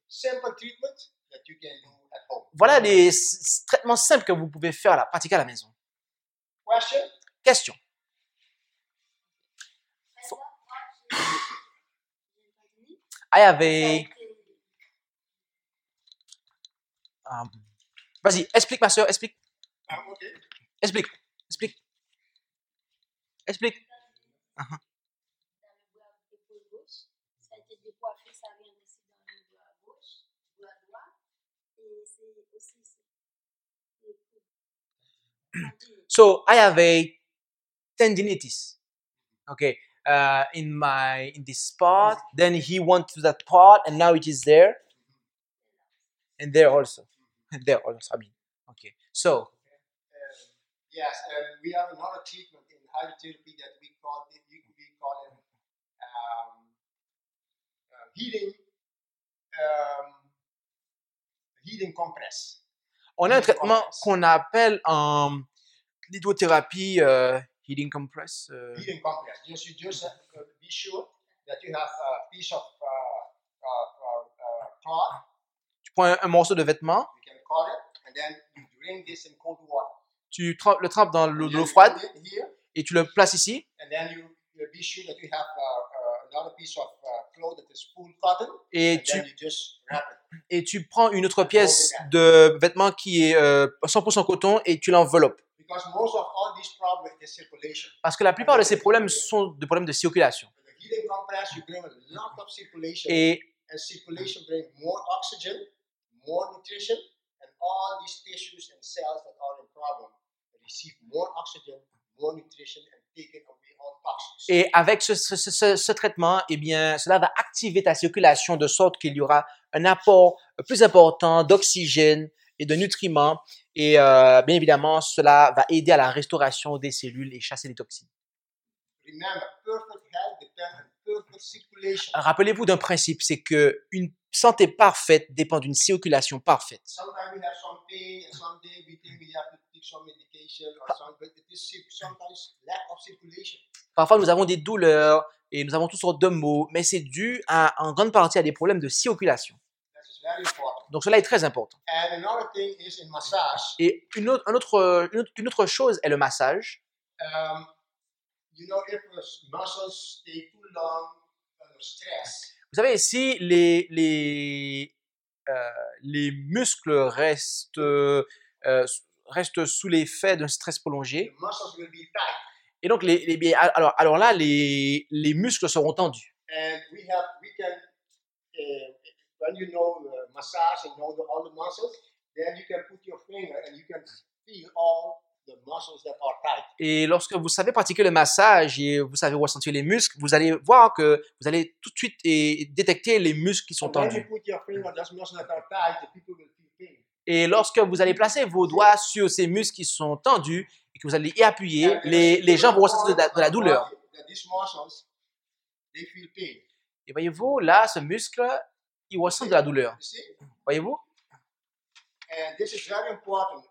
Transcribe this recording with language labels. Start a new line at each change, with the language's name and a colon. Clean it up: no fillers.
English: Simple treatment that you can do at home.
French: Voilà les traitements simples que vous pouvez faire à la pratique à la maison.
English: Question. Question. I have a...
French: vas-y, explique ma soeur, explique.
English: Okay.
French: Explique. Dans le bras de l'épaule gauche, ça a été décoiffé, ça vient aussi dans le bras gauche, le bras droit, et c'est aussi ici.
English: So, I have a tendinitis. Okay. In this part, then he went to that part, and now it is there, and there also, I mean, okay. So, yes, we have another treatment in hydrotherapy that we call it healing compress.
French: On a un traitement qu'on appelle lithothérapie.
English: Heating compress. Heating compress. Yes, you just have to be sure that you have a piece of cloth.
French: Tu prends un morceau de vêtement.
English: You can cut it, and then you drink this in cold water.
French: Tu le trempes dans l'eau froide.
English: Here,
French: et tu le places ici.
English: And then you be sure that you have another piece of cloth that is full cotton.
French: Et
English: and then you just wrap it.
French: Et tu prends une autre pièce de vêtement qui est 100% coton et tu l'enveloppes.
English: Because most of all these problems are circulation.
French: Parce que la plupart de ces problèmes sont des problèmes de circulation.
English: The healing compress, you bring a lot of circulation.
French: Et
English: and circulation brings more oxygen, more nutrition, and all these tissues and cells that are in problem receive more oxygen, more nutrition, and take away all toxins.
French: Et avec ce traitement, eh bien, cela va activer ta circulation de sorte qu'il y aura un apport plus important d'oxygène et de nutriments. Et bien évidemment, cela va aider à la restauration des cellules et chasser les toxines.
English: Remember, perfect health depends on perfect circulation.
French: Rappelez-vous d'un principe, c'est que une santé parfaite dépend d'une circulation parfaite.
English: Sometimes we have some pain, and someday we think we have to take some medication or something, but it is sometimes lack of circulation.
French: Parfois, nous avons des douleurs et nous avons toutes sortes de maux, mais c'est dû à, en grande partie à des problèmes de circulation. Donc cela est très important.
English: And another thing is in massage.
French: Et une autre chose est le massage.
English: You know, if the muscles stay too long under stress.
French: Vous savez, si les muscles restent sous l'effet d'un stress prolongé.
English: The muscles will be tight.
French: Et donc les muscles seront tendus.
English: And we can when you know massage and know all the muscles, then you can put your finger and you can feel all the muscles that are tight.
French: Et lorsque vous savez pratiquer le massage et vous savez ressentir les muscles, vous allez voir que vous allez tout de suite et détecter les muscles qui sont tendus.
English: When you put your finger on those muscles that are tight, the people will feel pain.
French: Et lorsque vous allez placer vos doigts sur ces muscles qui sont tendus et que vous allez y appuyer, les gens vont ressentir de la douleur.
English: That these muscles, they feel pain.
French: Et voyez-vous, là, ce muscle, il ressent de la douleur. Voyez-vous?
English: And this is very important.